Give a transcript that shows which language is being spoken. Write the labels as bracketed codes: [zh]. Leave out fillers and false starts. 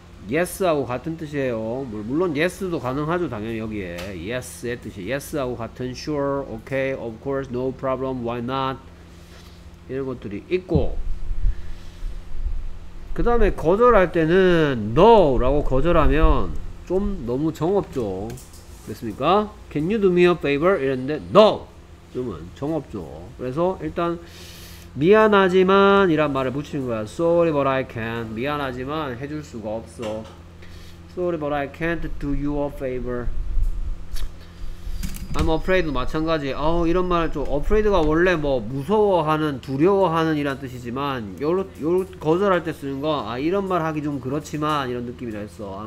[ko] yes하고 같은 뜻이에요. 물론 yes도 가능하죠. 당연히 여기에 yes의 뜻이 yes하고 같은 [en] sure, okay, of course, no problem, why not [ko] 이런 것들이 있고 그 다음에 거절할 때는 NO 라고 거절하면 좀 너무 정없죠. 됐습니까? [en] Can you do me a favor? [ko] 이랬는데 [en] NO! [ko] 좀은 정없죠. 그래서 일단 미안하지만 이란 말을 붙이는 거야. [en] Sorry but I can't. [ko] 미안하지만 해줄 수가 없어. [en] Sorry but I can't do you a favor. I'm afraid도 [ko] 마찬가지. 어우 이런 말을 좀 afraid가 원래 뭐 무서워하는 두려워하는 이란 뜻이지만 요 거절할 때 쓰는 거 아 이런 말 하기 좀 그렇지만 이런 느낌이라 했어.